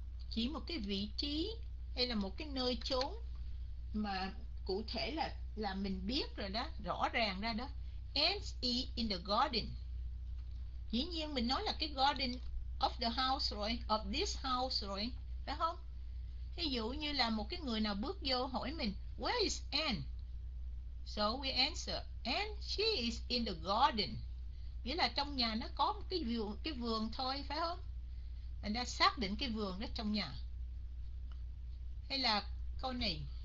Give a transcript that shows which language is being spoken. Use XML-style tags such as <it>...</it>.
<vi>Chỉ một cái vị trí hay là một cái nơi chốn mà cụ thể là mình biết rồi đó, rõ ràng ra đó.</vi> <en>And it in the garden.</en> <vi>Dĩ nhiên mình nói là cái</vi> <en>garden of the house rồi, of this house</en> <vi>rồi, phải không? Ví dụ như là một cái người nào bước vô hỏi mình,</vi> <en>where is Anne? So we answer, Anne, she is in the garden.</en> <vi>Nghĩa là trong nhà nó có một cái vườn thôi, phải không? Mình đã xác định cái vườn đó trong nhà. Hay là câu này.</vi>